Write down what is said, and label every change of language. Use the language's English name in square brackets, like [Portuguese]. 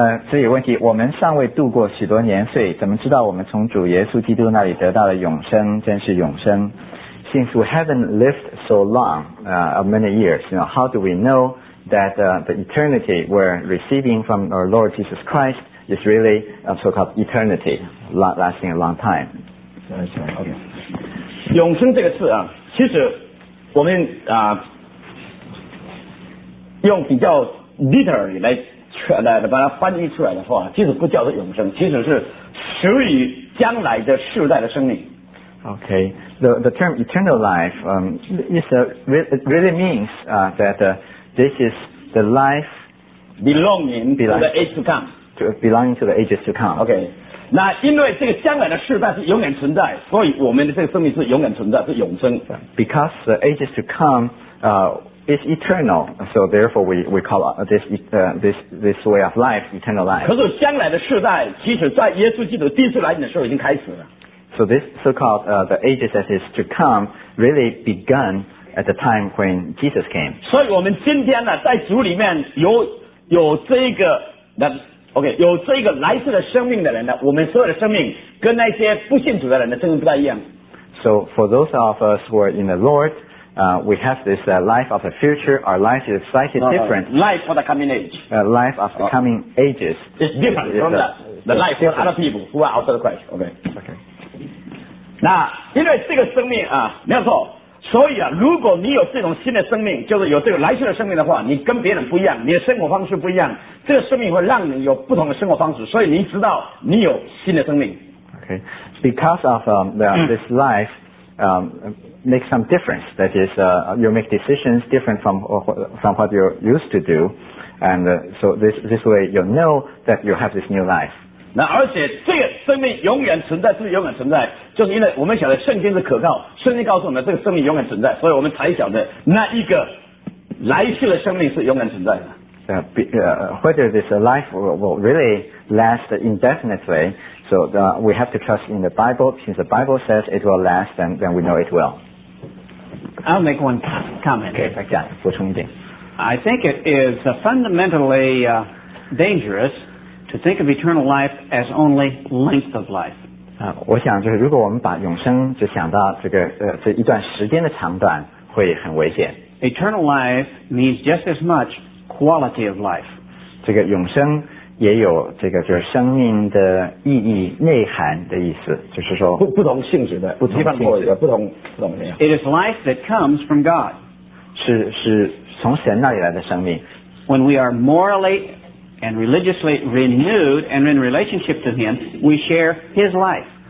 [Chinese] 这个问题，我们尚未度过许多年岁，怎么知道我们从主耶稣基督那里得到的永生真是永生？ [English] Since we haven't lived so long, many years, you know, how do we know that the eternity we're receiving from our Lord Jesus Christ is really a so-called eternity, lasting a long time? Okay. [Chinese] 永生这个词啊，其实我们啊，用比较 literally 来把它翻译出来的话，其实不叫做永生，其实是属于将来的世代的生命。 [English] Okay, the term eternal life really means that this is the life belonging to the ages to come. [Chinese] Okay, 那因为这个将来的世代是永远存在，所以我们的这个生命是永远存在，是永生。 [English] Because the ages to come is eternal, so therefore we call this way of life eternal life. [Chinese] 可是将来的世代，其实在耶稣基督第一次来临的时候已经开始了。 [English] So this so-called the ages that is to come really began at the time when Jesus came. [Chinese] 所以我们今天呢，在主里面有这个那 OK 有这个来世的生命的人呢，我们所有的生命跟那些不信主的人呢，真的不太一样。 [English] So for those of us who are in the Lord, we have this life of the future. Our life is slightly different. Life for the coming age. Life of the coming ages. It's different from the life of other people who are outside of Christ. Okay. Okay. [Chinese] 那因为这个生命啊，没有错。所以啊，如果你有这种新的生命，就是有这个来世的生命的话，你跟别人不一样，你的生活方式不一样。这个生命会让你有不同的生活方式，所以你知道你有新的生命。 [English] Okay, because of this life, makes some difference. That is, you make decisions different from what you used to do, and so this way you know that you have this new life. [Chinese] 那而且这个生命永远存在，是不是永远存在？就是因为我们晓得圣经是可靠，圣经告诉我们这个生命永远存在，所以我们才晓得那一个来世的生命是永远存在的。 [English] whether this life will really last indefinitely. So we have to trust in the Bible. Since the Bible says it will last, then we know it will. I'll make one comment. Okay, if I can, [Chinese] 补充一点. [English] I think it is fundamentally dangerous to think of eternal life as only length of life. [Chinese] 我想就是如果我们把永生就想到这一段时间的长短会很危险。 [English] Eternal life means just as much quality of life. [Chinese] 这个永生也有这个就是生命的意义内涵的意思，就是说不同性质的，不同性质的，不同。 [English] It is life that comes from God. [Chinese] 是从神那里来的生命。 [English] When we are morally and religiously renewed and in relationship to Him, we share His life.